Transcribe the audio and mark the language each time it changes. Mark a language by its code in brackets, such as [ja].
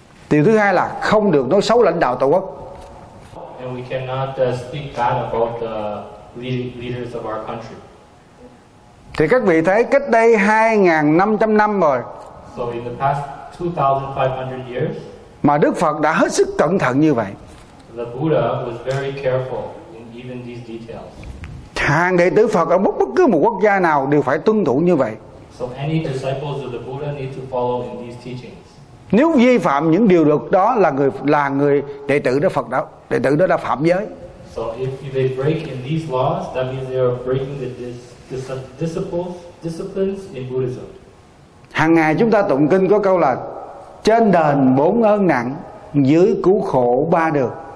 [vi] Điều thứ hai là không được nói xấu lãnh đạo tổ quốc. [en] And we cannot speak bad about the leaders of our country. [vi] Thì các vị thấy cách đây 2500 năm rồi. [en] So in the past 2500 years, [vi] mà Đức Phật đã hết sức cẩn thận như vậy. [en] The Buddha was very careful in even these details. [vi] Hàng đệ tử Phật ở bất cứ một quốc gia nào đều phải tuân thủ như vậy. [en] So any disciples of the Buddha need to follow in these teachings. [vi] Nếu vi phạm những điều luật đó là người đệ tử đó Phật đó, đệ tử đó đã phạm giới. [en] So if they break in these laws, that means they are breaking the disciplines in Buddhism. [vi] Hàng ngày chúng ta tụng kinh có câu là trên đền bốn ơn nặng, dưới cứu khổ ba được.